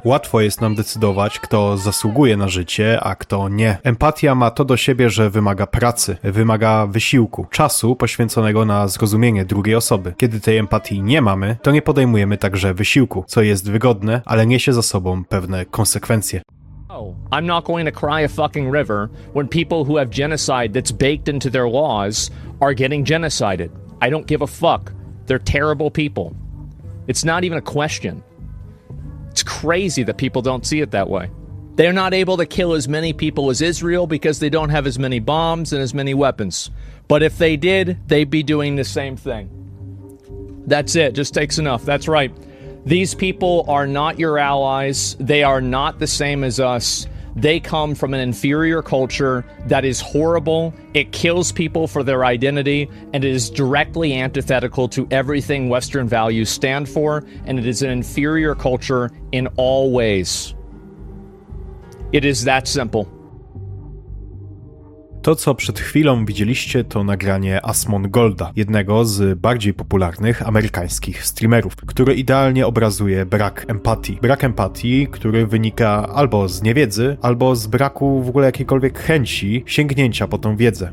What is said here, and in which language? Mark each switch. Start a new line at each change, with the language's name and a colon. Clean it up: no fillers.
Polish: Łatwo jest nam decydować, kto zasługuje na życie, a kto nie. Empatia ma to do siebie, że wymaga pracy, wymaga wysiłku, czasu poświęconego na zrozumienie drugiej osoby. Kiedy tej empatii nie mamy, to nie podejmujemy także wysiłku, co jest wygodne, ale niesie za sobą pewne konsekwencje.
English: I'm not going to cry a fucking river when people who have genocide that's baked into their laws are getting genocided. I don't give a fuck. They're terrible people. It's not even a question. It's crazy that people don't see it that way. They're not able to kill as many people as Israel because they don't have as many bombs and as many weapons. But if they did, they'd be doing the same thing. That's it. Just takes enough. That's right. These people are not your allies. They are not the same as us. They come from an inferior culture that is horrible. It kills people for their identity and it is directly antithetical to everything Western values stand for. And it is an inferior culture in all ways. It is that simple.
Polish: To, co przed chwilą widzieliście, to nagranie Asmongolda, jednego z bardziej popularnych amerykańskich streamerów, który idealnie obrazuje brak empatii. Brak empatii, który wynika albo z niewiedzy, albo z braku w ogóle jakiejkolwiek chęci sięgnięcia po tą wiedzę.